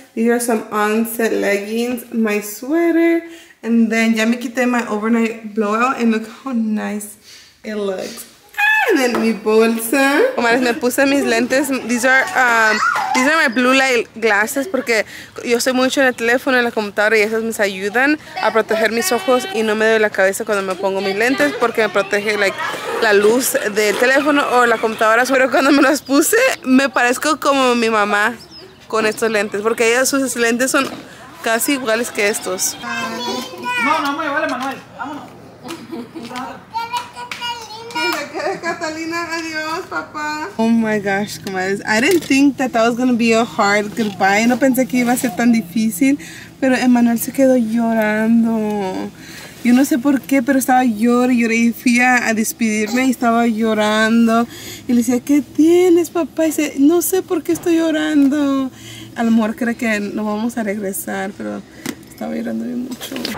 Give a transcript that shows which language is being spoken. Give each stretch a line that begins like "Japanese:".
English: These are some on-set leggings, my sweater, and then
Spanish: ya me quité
English: my overnight blowout, and look how nice it looks. And then
Spanish: mi bolsa. Comadres, me puse mis lentes.
English: These are my blue light glasses,
Spanish: porque yo soy mucho en el teléfono, en la computadora, y esas me ayudan a proteger mis ojos y no me duele la cabeza cuando me pongo mis lentes, porque me protege, like, la luz del teléfono o la computadora. Pero cuando me las puse, me parezco como mi mamá con estos lentes, porque ellas, sus lentes son casi iguales que estos. No, vale, Manuel, vámonos.
English: Catalina,
Spanish: adiós, papá.
English: Oh my gosh, comadres, I didn't think that was gonna be a hard goodbye.
Spanish: No pensé que iba a ser tan difícil, pero Emmanuel se quedó llorando. Yo no sé por qué, pero estaba llorando y fui a despedirme y estaba llorando. Y le decía, ¿qué tienes, papá? Y dice, no sé por qué estoy llorando. A lo mejor cree que no vamos a regresar, pero estaba llorando bien mucho.